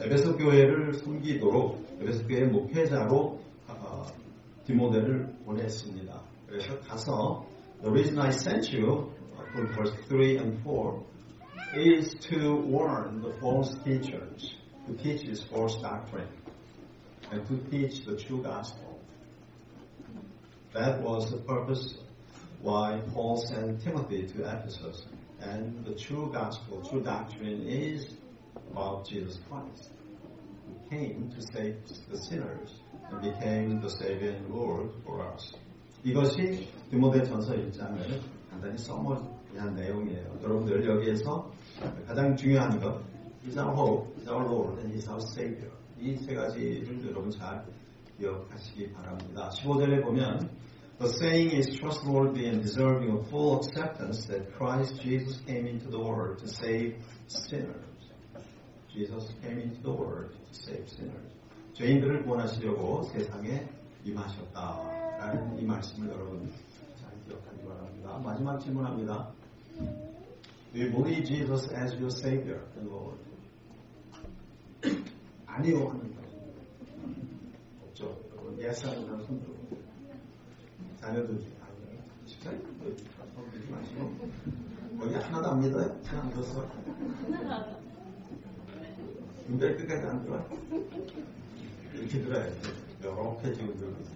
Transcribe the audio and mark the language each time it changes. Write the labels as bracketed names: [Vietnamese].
[Korean] 에베소 교회를 섬기도록 에베소 교회 목회자로 디모데를 보냈습니다. 그래서 가서 [English] The reason I sent you from verse 3 and 4 is to warn the false teachers who teach this false doctrine. and to teach the true gospel. That was the purpose why Paul sent Timothy to Ephesus. And the true gospel, true doctrine is about Jesus Christ, who came to save the sinners and became the Savior and Lord for us. [Korean] 이것이 디모데 전서 1장을 간단히 써머리한 내용이에요. 여러분들 여기에서 가장 중요한 것, [English] is our hope, is our Lord, and is our Savior. [Korean] 이 세 가지를 여러분 잘 기억하시기 바랍니다. 15절에 보면 [English] The saying is trustworthy and deserving of full acceptance that Christ Jesus came into the world to save sinners. Jesus came into the world to save sinners. [Korean] 죄인들을 구원하시려고 세상에 임하셨다. 라는 이 말씀을 여러분 잘 기억하기 바랍니다. 마지막 질문합니다. [English] Do you believe Jesus as your Savior and Lord? [Korean] 아니요. 없죠. 여러분, yes, 하는 사람 손 들어 자녀들이 아니에요. 거의 하나도 안 믿어요. 잘 안 들었어. 근데 끝까지 안 들어. 이렇게 들어야지. 이렇게 지금 들어.